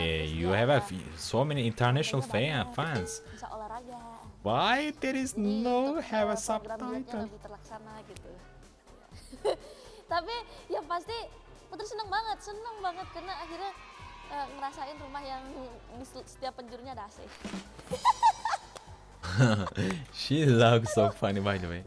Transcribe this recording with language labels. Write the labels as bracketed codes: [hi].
[en] You have so many international fans. [id] Bisa olahraga. [en] Why there is no have a subtitle? [id] Lebih terlaksana gitu. Tapi ya pasti Putri senang banget karena akhirnya ngerasain rumah yang di setiap penjurunya ada AC. [en] She looks so funny by the way.